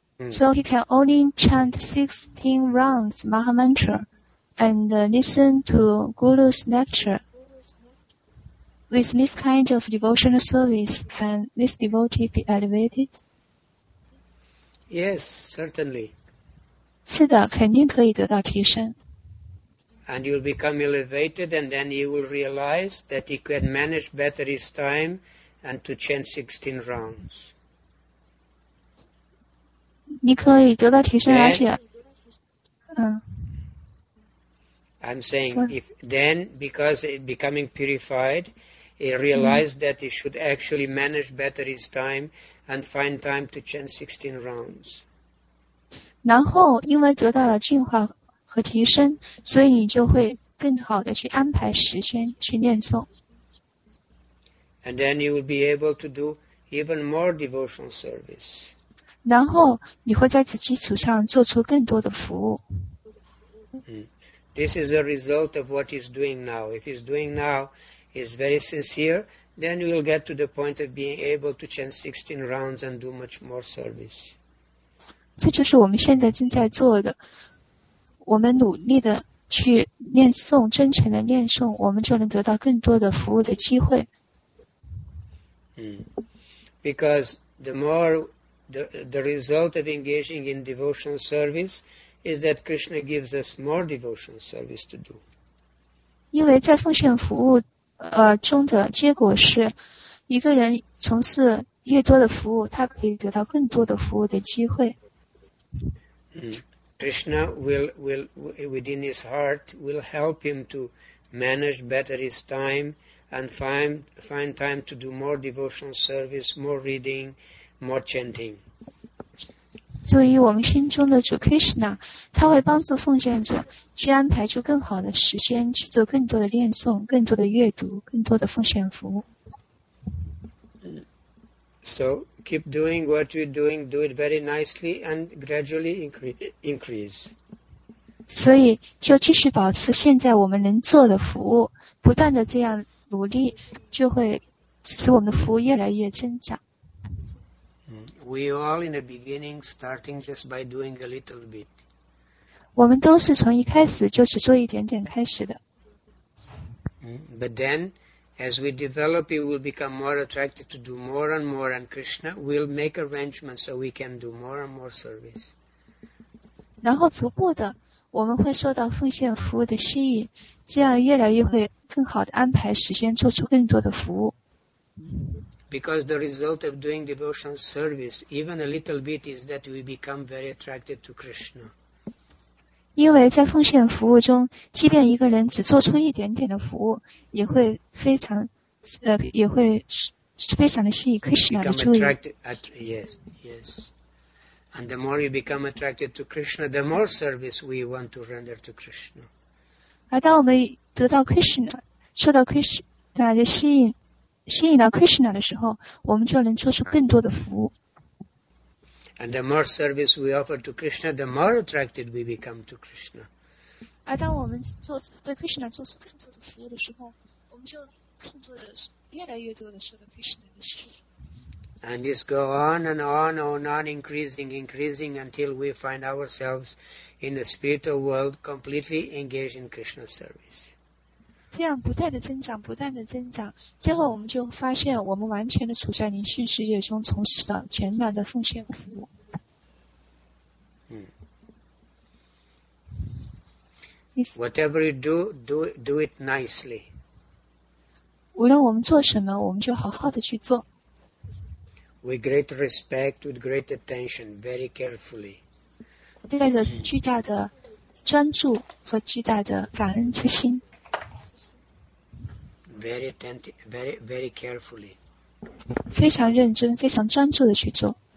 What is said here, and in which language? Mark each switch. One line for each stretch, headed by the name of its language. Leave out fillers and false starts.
English: So he can only chant 16 rounds Mahamantra and listen to Guru's lecture. With this kind of devotional service, can this devotee be elevated? Yes, certainly.
Chinese: 是的，肯定可以得到提升。
English: And you'll become elevated and then you will realize that he can manage better his time and to chant 16 rounds.
Chinese: 你可以得到提升，而且
English: I'm saying if then because it becoming purified, he realized that he should actually manage better his time and find time to chant 16 rounds.
Chinese: 然后因为得到了净化和提升，所以你就会更好的去安排时间去念诵。
English: And then you will be able to do even more devotional service.
Chinese: 然后你会在此基础上做出更多的服务。
English: This is a result of what he's doing now. If he's doing now, he's very sincere, then we will get to the point of being able to chant 16 rounds and do much more service.
Chinese: 这就是我们现在正在做的。我们努力的去念诵，真诚的念诵，我们就能得到更多的服务的机会。
English: Because the more the result of engaging in devotional service is that Krishna gives us more devotional service to do.
Chinese: 因为在奉献服务中的结果是，一个人从事越多的服务，他可以得到更多的服务的机会。
English: Krishna will within his heart will help him to manage better his time and find time to do more devotional service, more reading, more chanting.
Chinese: 作为我们心中的主 Krishna, 他会帮助奉献者去安排出更好的时间去做更多的念诵、更多的阅读、更多的奉献服务。
English: So keep doing what you're doing, do it very nicely and gradually increase.
Chinese: 所以就继续保持现在我们能做的服务，不断的这样努力，就会使我们的服务越来越增长。
English: We all in the beginning starting just by doing a little bit.
Chinese: 我们都是从一开始就只做一点点开始的。
English: But then,As we develop, we will become more attracted to do more and more, and Krishna will make arrangements so we can do more and more service.
Chinese: 然后逐步的，我们会受到奉献服务的吸引，这样越来越会更好的安排时间，做出更多的服务。
English: Because the result of doing devotional service, even a little bit, is that we become very attracted to Krishna.
Chinese: 因为在奉献服务中，即便一个人只做出一点点的服务，也会非常，也会非常的吸引 Krishna 的注意。
English: Yes. And the more you become attracted to Krishna, the more service we want to render to Krishna.
Chinese: 而当我们得到 Krishna, 受到 Krishna 的吸引到 Krishna 的时候，我们就能做出更多的服务。
English: And the more service we offer to Krishna, the more attracted we become to Krishna.
Chinese: 而当我们做对 Krishna 做出更多的服务的时候，我们就更多的越来越多的受到 Krishna 的吸引。
English: And this go on and on and on, increasing until we find ourselves in the spiritual world completely engaged in Krishna's service.
Chinese: 这样不断的增长，不断的增长，最后我们就发现我们完全的处在灵性世界中，从事了全然的奉献服务。
English: Whatever you do it nicely.
Chinese: 无论我们做什么，我们就好好的去做。
English: With great respect, with great attention, very carefully.
Chinese: 带着巨大的专注和巨大的感恩之心。
English: Very attentive, very, very carefully.
Chinese: 非常认真，非常专注的去做。